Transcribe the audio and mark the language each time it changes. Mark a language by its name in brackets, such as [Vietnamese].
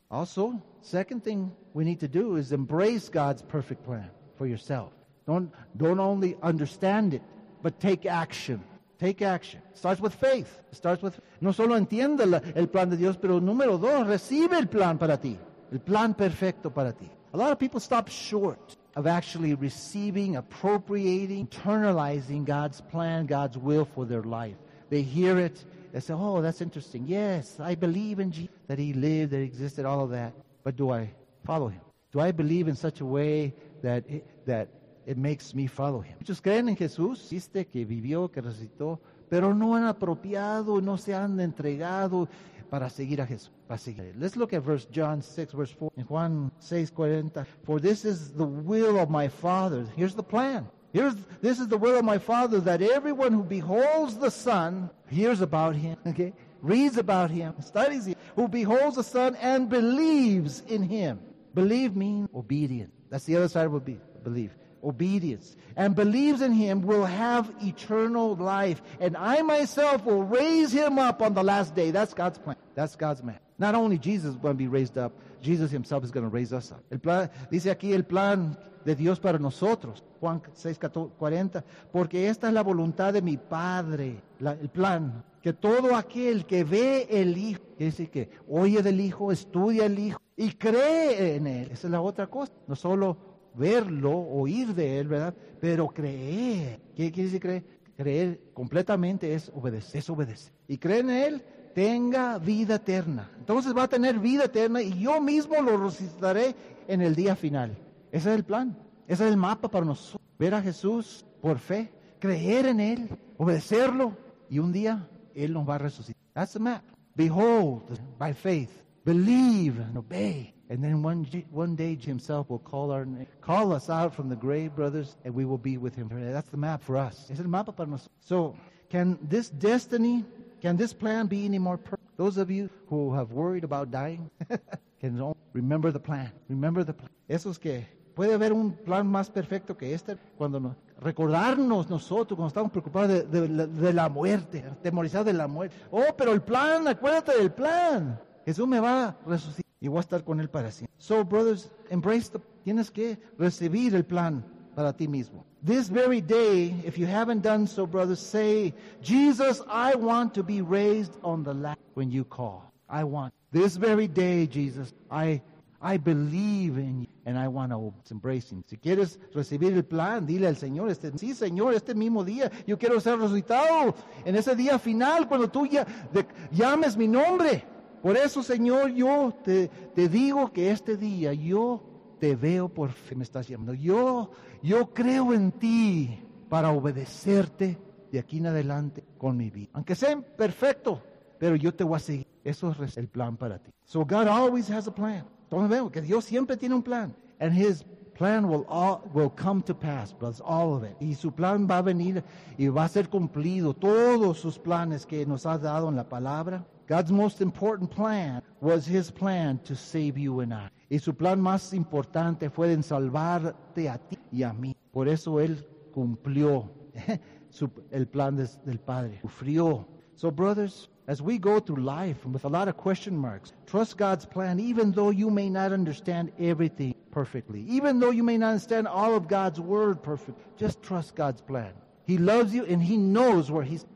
[English] Also, second thing we need to do is embrace God's perfect plan for yourself. Don't only understand it, but take action. Take action. Starts with faith. Starts with [Spanish] no solo entienda el plan de Dios, pero número dos, recibe el plan para ti. El plan perfecto para ti. [English] A lot of people stop short of actually receiving, appropriating, internalizing God's plan, God's will for their life. They hear it I say, oh, that's interesting. Yes, I believe in Jesus, that he lived, that he existed, all of that. But do I follow him? Do I believe in such a way that it makes me follow him? [Spanish] Muchos creen en Jesús, viste, que vivió, que resucitó, pero no han apropiado, no se han entregado para seguir a Jesús. Para seguir. [English] Let's look at verse John 6, verse 4. In Juan 6, 40. For this is the will of my Father. Here's the plan. This is the will of my Father, that everyone who beholds the Son, hears about him, okay, reads about him, studies him, who beholds the Son and believes in him. Believe means obedient. That's the other side of belief. Obedience. And believes in him will have eternal life. And I myself will raise him up on the last day. That's God's plan. That's God's man. Not only Jesus is going to be raised up, Jesus himself is going to raise us up. [Spanish] El plan, dice aquí el plan de Dios para nosotros. Juan 6, 40. Porque esta es la voluntad de mi Padre. El plan. Que todo aquel que ve el Hijo, quiere decir que oye del Hijo, estudia el Hijo y cree en él. Esa es la otra cosa. No solo verlo, oír de él, ¿verdad? Pero creer. ¿Qué quiere decir creer? Creer completamente es obedecer. Y cree en él, tenga vida eterna. Entonces va a tener vida eterna y yo mismo lo resucitaré en el día final. Ese es el plan. Ese es el mapa para nosotros. Ver a Jesús por fe, creer en él, obedecerlo y un día él nos va a resucitar. [English] That's the map. Behold, by faith, believe and obey. And then one day himself will call our name, call us out from the grave, brothers, and we will be with him. That's the map for us. [Spanish] Es el mapa para nosotros. [English] So, can this plan be any more perfect? Those of you who have worried about dying, can remember the plan. Remember the plan. [Spanish] Eso es que puede haber un plan más perfecto que este. Cuando recordarnos nosotros, cuando estamos preocupados de la muerte, atemorizados de la muerte. Oh, pero el plan, acuérdate del plan. Jesús me va a resucitar. Y voy a estar con él para siempre. [English] So, brothers, embrace the... [Spanish] Tienes que recibir el plan para ti mismo. [English] This very day, if you haven't done so, brothers, say, Jesus, I want to be raised on the last when you call. I want. This very day, Jesus, I believe in you. And I want to embrace him. [Spanish] Si quieres recibir el plan, dile al Señor, sí, Señor, este mismo día, yo quiero ser resucitado en ese día final cuando tú llames mi nombre. Por eso, Señor, yo te digo que este día yo te veo por fe, me estás llamando. Yo creo en ti para obedecerte de aquí en adelante con mi vida. Aunque sea imperfecto, pero yo te voy a seguir. Eso es el plan para ti. [English] So God always has a plan. [Spanish] Entonces vemos que Dios siempre tiene un plan. [English] And his plan will come to pass, brothers, all of it. [Spanish] Y su plan va a venir y va a ser cumplido. Todos sus planes que nos ha dado en la palabra. [English] God's most important plan was his plan to save you and I. [Spanish] Y su plan más importante fue en salvarte a ti y a mí. Por eso él cumplió el plan del Padre. Sufrió. [English] So brothers, as we go through life with a lot of question marks, trust God's plan even though you may not understand everything perfectly. Even though you may not understand all of God's word perfectly. Just trust God's plan. He loves you and he knows where he's.